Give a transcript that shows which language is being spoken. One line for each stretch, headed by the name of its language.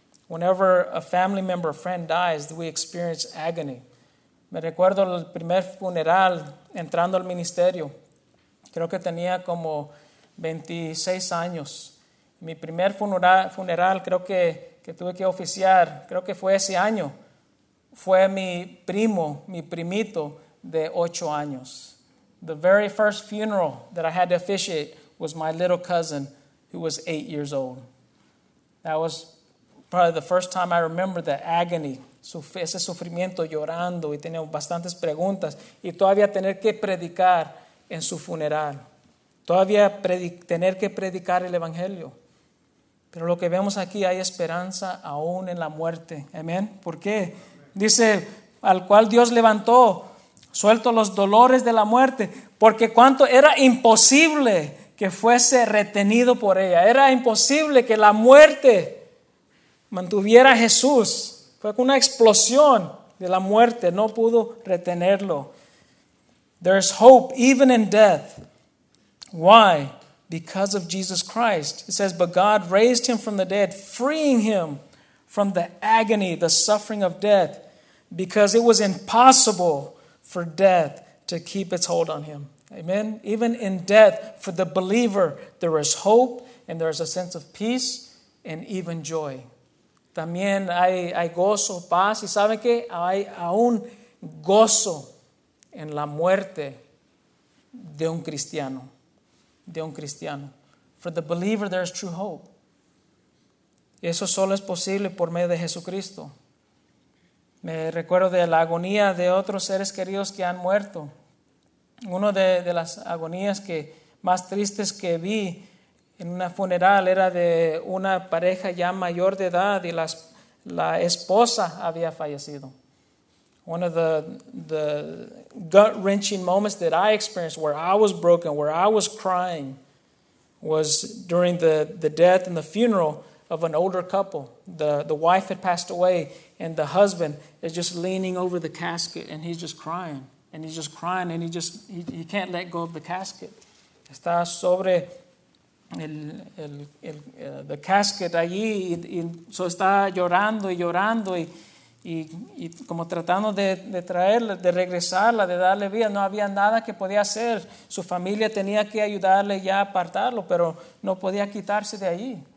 English: Whenever a family member or friend dies, we experience agony.
Spanish: Me recuerdo el primer funeral entrando al ministerio. Creo que tenía como 26 años. Mi primer funeral creo que tuve que oficiar, creo que fue ese año. Fue mi primito de 8 años.
English: The very first funeral that I had to officiate was my little cousin who was 8 years old. That was probably the first time I remember the agony,
Spanish: ese sufrimiento, llorando, y tenía bastantes preguntas, y todavía tener que predicar en su funeral, todavía tener que predicar el evangelio. Pero lo que vemos aquí, hay esperanza aún en la muerte. Amén. ¿Por qué? Dice, al cual Dios levantó, suelto los dolores de la muerte, porque cuánto era imposible que fuese retenido por ella. Era imposible que la muerte mantuviera a Jesús. Fue una explosión de la muerte. No pudo retenerlo.
English: There's hope even in death. Why? Because of Jesus Christ. It says, but God raised him from the dead, freeing him from the agony, the suffering of death, because it was impossible for death to keep its hold on him. Amen. Even in death, for the believer, there is hope and there is a sense of peace and even joy.
Spanish: También hay gozo, paz. ¿Y saben qué? Hay aún gozo en la muerte de un cristiano. De un cristiano.
English: For the believer, there is true hope.
Spanish: Y eso solo es posible por medio de Jesucristo. Me recuerdo de la agonía de otros seres queridos que han muerto. Una de las agonías que más tristes que vi en una funeral era de una pareja ya mayor de edad, y la esposa había fallecido.
English: One of the gut-wrenching moments that I experienced, where I was broken, where I was crying, was during the death and the funeral of an older couple. The wife had passed away, and the husband is just leaning over the casket, and he's just crying, and he's just crying, and he can't let go of the casket.
Spanish: Está sobre
English: the casket
Spanish: allí, y so está llorando y llorando, y como tratando de traerla, de regresarla, de darle vida. No había nada que podía hacer. Su familia tenía que ayudarle ya a apartarlo, pero no podía quitarse de allí.